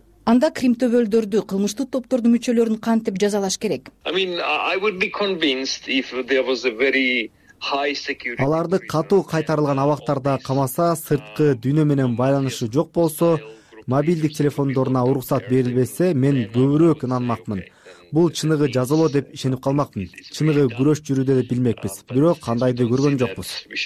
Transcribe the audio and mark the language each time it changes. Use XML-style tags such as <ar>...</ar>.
<ky>Анда крим төбөлдөрдү, кылмыштуу топтордун мүчөлөрүн кантип жазалаш керек?</ky> <en>I mean, I would be convinced if there was a very high security.</en> <ky>Аларды катуу кайтарылган абактарда камаса, сырткы дүйнө менен байланышы жок болсо, мобилдик телефондоруна уруксат берилбесе, мен көбүрөөк инанмакмын. Бул чыныгы жазалоо деп ишенип калмакмын. Чыныгы күрөш жүрүүдө деп билмекпиз, бирок кандайды көргөн жокпуз.</ky>